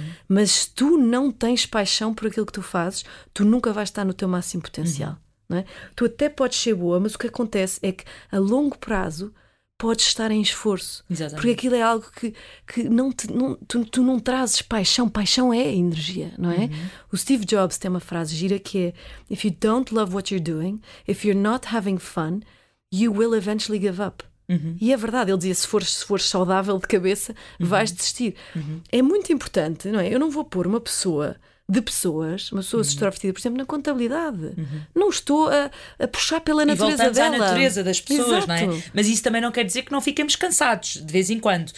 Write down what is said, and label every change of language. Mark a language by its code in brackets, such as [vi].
[pt] Mas se tu não tens paixão por aquilo que tu fazes, tu nunca vais estar no teu máximo potencial. Não é? Tu até podes ser boa, mas o que acontece é que a longo prazo podes estar em esforço. Exatamente. Porque aquilo é algo que não te, não, tu não trazes paixão. Paixão é energia, não é? O Steve Jobs tem uma frase gira que é: [en] "If you don't love what you're doing, if you're not having fun, you will eventually give up." [pt] E é verdade, ele dizia: se for saudável de cabeça, vais desistir. É muito importante, não é? Eu não vou pôr uma pessoa de pessoas, uma pessoa extrovertida, por exemplo, na contabilidade. Não estou a puxar pela natureza dela. E voltamos à natureza das pessoas, não é? Mas isso também não quer dizer que não fiquemos cansados de vez em quando.